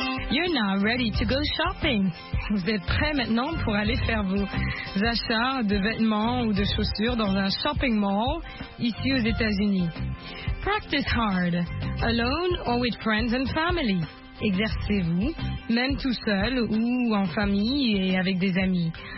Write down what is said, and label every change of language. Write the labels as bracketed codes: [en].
[en] You're now ready to go shopping. [fr] Vous êtes prêt maintenant pour aller faire vos achats de vêtements ou de chaussures dans un shopping mall ici aux États-Unis. [en] Practice hard, alone or with friends and family. [fr] Exercez-vous, même tout seul ou en famille et avec des amis.